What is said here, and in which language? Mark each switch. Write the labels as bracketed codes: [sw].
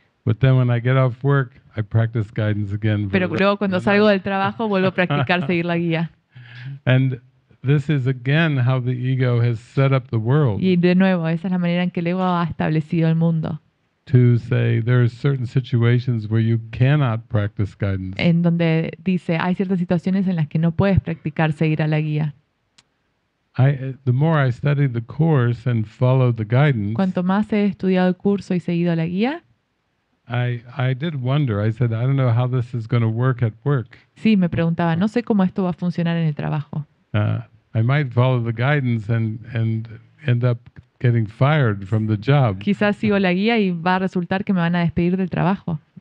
[en] But then when I get off work, I practice guidance again. [es] Pero luego cuando salgo del trabajo vuelvo a practicar seguir la guía. [en] And this is again how the ego has set up the world. [es] Y de nuevo, esa es la manera en que el ego ha establecido el mundo. [en] To say there are certain situations where you cannot practice guidance. [es] En donde dice, hay ciertas situaciones en las que no puedes practicar seguir a la guía. [en] The more I studied the course and followed the guidance. [es] Cuanto más he estudiado el curso y seguido la guía, [en] I did wonder. I said, I don't know how this is going to work at work. [es] Sí, me preguntaba, no sé cómo esto va a funcionar en el trabajo. [en] I might follow the guidance and end up getting fired from the job. [es] Quizás sigo la guía y va a resultar que me van a despedir del trabajo.